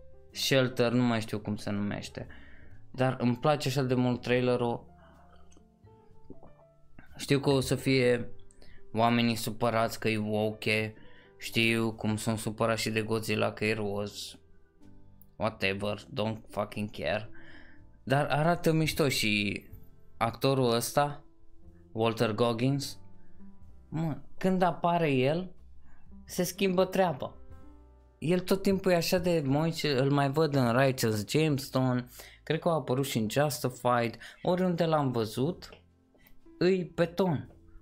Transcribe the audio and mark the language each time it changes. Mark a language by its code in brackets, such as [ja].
[ro] Shelter, nu mai știu cum se numește. Dar îmi place așa de mult trailerul. Știu că o să fie oamenii supărați că e woke. Știu cum sunt supărați și de Godzilla că e roz. [en] Whatever, don't fucking care. [ro] Dar arată mișto și... Actorul ăsta, Walter Goggins, mă, când apare el, se schimbă treaba. El tot timpul e așa de moice, îl mai văd în Righteous Gemstone, cred că a apărut și în Justified, oriunde l-am văzut, îi beton.